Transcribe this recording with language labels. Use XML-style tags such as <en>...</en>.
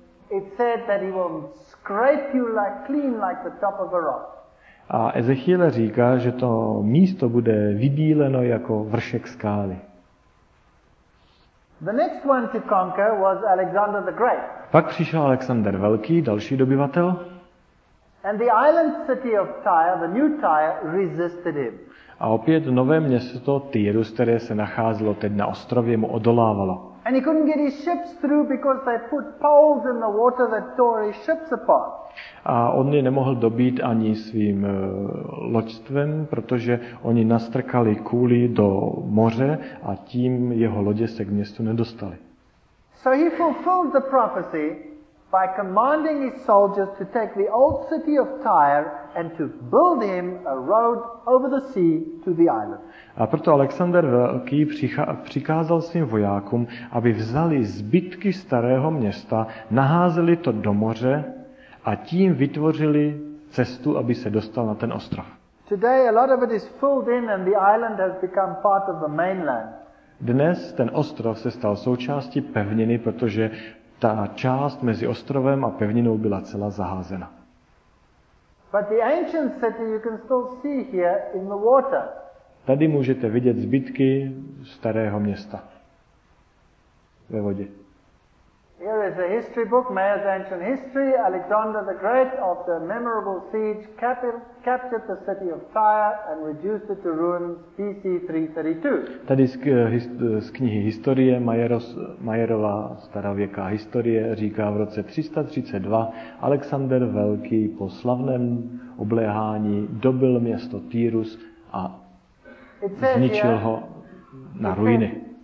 <en>It said that he will scrape you like clean like the top of a rock.</en> <cs>A Ezechiel říká, že to místo bude vybíleno jako vršek skály.</cs> <en>The next one to conquer was Alexander the Great.</en> <cs>Pak přišel Alexander Velký, další dobyvatel.</cs> <en>And the island city of Tyre, the new Tyre, resisted him.</en> <cs>A opět nové město Tyrus, které se nacházelo teď na ostrově, mu odolávalo.</cs> <en>And he couldn't get his ships through because they put poles in the water that tore his ships apart.</en> <cs>A on je nemohl dobít ani svým loďstvem, protože oni nastrkali kůly do moře a tím jeho lodě se k městu nedostali.</cs> <en>So he fulfilled the prophecy by commanding his soldiers to take the old city of Tyre and to build him a road over the sea to the island.</en> <cs>A proto Alexander Velký přikázal svým vojákům, aby vzali zbytky starého města, naházeli to do moře a tím vytvořili cestu, aby se dostal na ten ostrov.</cs> <en>Today a lot of it is filled in and the island has become part of the mainland.</en> <cs>Dnes ten ostrov se stal součástí pevniny, protože ta část mezi ostrovem a pevninou byla celá zaházena.</cs> <en>But the ancient city you can still see here in the water.</en> <cs>Tady můžete vidět zbytky starého města ve vodě.</cs> <en>Here is a history book, Mayer's Ancient History. Alexander the Great, after a memorable siege, captured the city of Tyre and reduced it to ruins BC 332.</en> <cs>Tady z knihy historie Mayerova starověká historie říká v roce 332 Alexander Velký po slavném obléhání dobil město Týrus a zničil ho na ruiny.</cs>